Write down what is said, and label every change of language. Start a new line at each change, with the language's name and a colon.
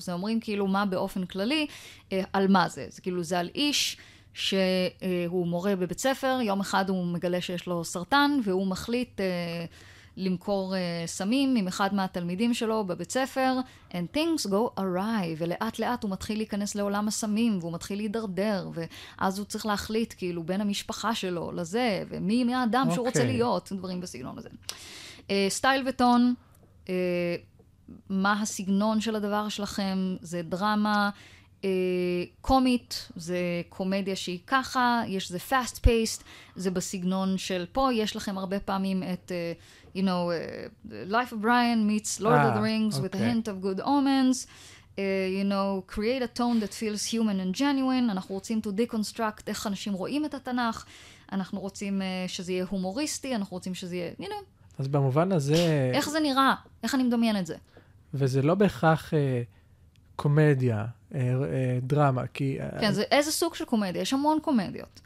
Hebrew: זה אומרים כאילו מה באופן כללי, על מה זה. זה כאילו זה על איש שהוא מורה בבית ספר, יום אחד הוא מגלה שיש לו סרטן, והוא מחליט למכור סמים עם אחד מהתלמידים שלו בבית ספר,
English: and things go awry,
Hebrew: ולאט לאט הוא מתחיל להיכנס לעולם הסמים, והוא מתחיל להידרדר, ואז הוא צריך להחליט כאילו בין המשפחה שלו לזה, ומי מי האדם שהוא רוצה להיות, דברים בסגנון הזה. סטייל וטון, מה הסגנון של הדבר שלכם, זה דרמה, קומית, זה קומדיה שהיא ככה, יש זה
English: fast paced,
Hebrew: זה בסגנון של פה, יש לכם הרבה פעמים את...
English: you know, Life of Brian meets Lord of the Rings with a hint of good omens. You know, create a tone that feels human and genuine.
Hebrew: אנחנו רוצים
English: to deconstruct
Hebrew: איך אנשים רואים את התנך. אנחנו רוצים שזה יהיה הומוריסטי. אנחנו רוצים שזה יהיה,
English: you know.
Hebrew: אז במובן הזה... איך זה נראה? איך אני מדמיין את זה? וזה לא בהכרח קומדיה, דרמה, כי... כן, זה איזה סוג של קומדיה. יש המון קומדיות.